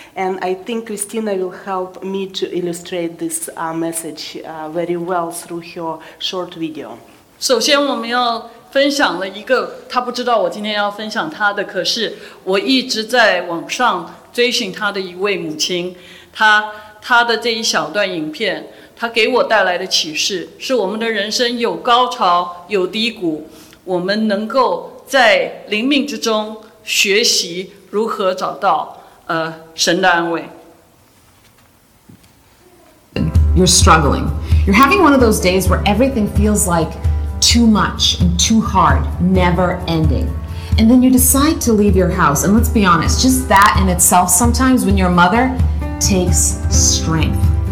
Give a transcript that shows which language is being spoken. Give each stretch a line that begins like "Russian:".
English: And I think Kristina will help me to illustrate this message very well through her short video.
Chinese: 首先我们要分享了一个，她不知道我今天要分享她的，可是我一直在网上追寻她的一位母亲，她的这一小段影片他给我带来的启示是我们的人生有高潮有低谷，我们能够在灵命之中学习如何找到神的安慰。
English: You're struggling. You're having one of those days where everything feels like too much and too hard, never ending. And then you decide to leave your house. And let's be honest, just that in itself sometimes when you're a mother takes strength.